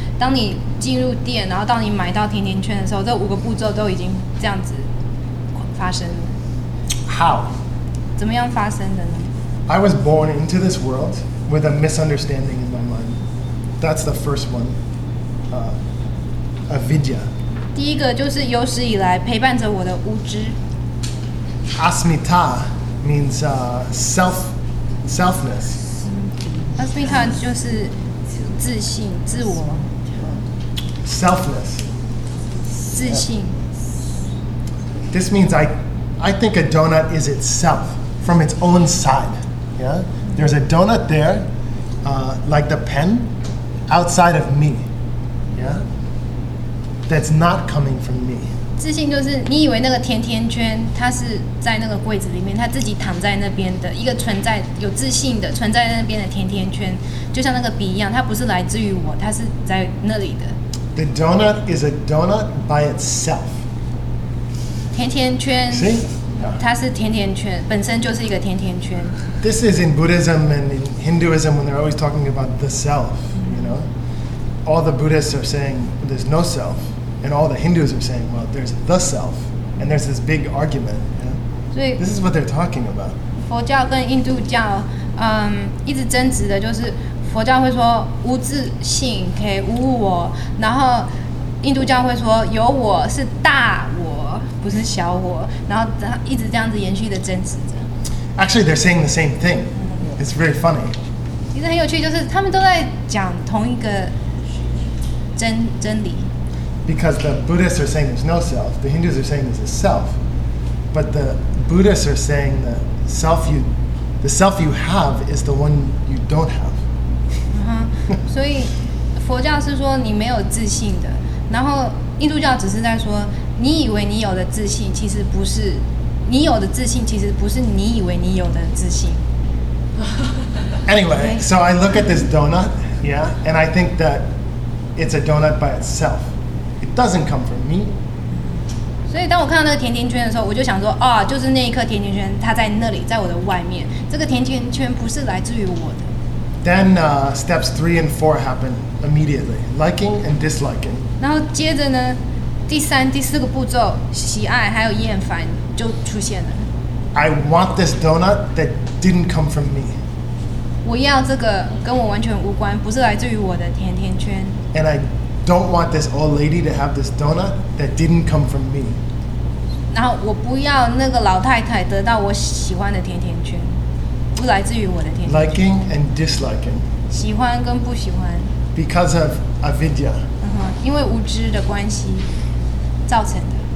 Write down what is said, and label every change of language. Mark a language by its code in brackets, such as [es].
[zh] 当你进入店，然后到你买到甜甜圈的时候，这五个步骤都已经这样子发生了。 [en] How? [zh] 怎么样发生的呢？ [en] I was born into this world with a misunderstanding in my mind. That's the first one. Avidya. [zh] 第一个就是有史以来陪伴着我的无知。 [en] Asmita means selfness. [zh] Asmita 就是自信、自我。 [en] Selfless. [zh] 自信。 [en] This means I think a donut is itself from its own side. Yeah, there's a donut there, like the pen, outside of me. Yeah. That's not coming from me. [zh] 自信就是你以为那个甜甜圈，它是在那个柜子里面，它自己躺在那边的一个存在，有自信的存在在那边的甜甜圈，就像那个笔一样，它不是来自于我，它是在那里的。 [en] The donut is a donut by itself. [zh] 甜甜圈， [en] See? Yeah. [zh] 它是甜甜圈，本身就是一个甜甜圈。 [en] This is in Buddhism and in Hinduism when they're always talking about the self, you know. All the Buddhists are saying there's no self. And all the Hindus are saying, well, there's the self. And there's this big argument. Yeah? This is what they're talking about. [zh] 佛教跟印度教一直争执的就是佛教会说无自性可以无我然后印度教会说有我是大我不是小我然后一直这样子延续的争执着。 [en] Actually, they're saying the same thing. It's very funny. [zh] 其实很有趣就是他们都在讲同一个 真理。 [en] Because the Buddhists are saying there's no self, the Hindus are saying there's a self, but the Buddhists are saying the self you have is the one you don't have. [zh] 所以佛教是说你没有自信的，然后印度教只是在说你以为你有的自信其实不是，你有的自信其实不是你以为你有的自信。 [en] Anyway, so I look at this donut, yeah, and I think that it's a donut by itself. Doesn't come from me. [zh] 所以当我看到那个甜甜圈的时候，我就想说，啊，就是那一颗甜甜圈，它在那里，在我的外面。这个甜甜圈不是来自于我的。 [en] Then steps 3 and 4 happen immediately, liking and disliking. [zh] 然后接着呢，第三、第四个步骤，喜爱还有厌烦就出现了。 [en] I want this donut that didn't come from me. [zh] 我要这个跟我完全无关，不是来自于我的甜甜圈。 [en] And I. Don't want this old lady to have this donut that didn't come from me. [zh] 然后我不要那个老太太得到我喜欢的甜甜圈，不来自于我的甜甜圈。 [en] Liking and disliking. [zh] 喜欢跟不喜欢。 [en] Because of avidya. [zh] 因为无知的关系造成的。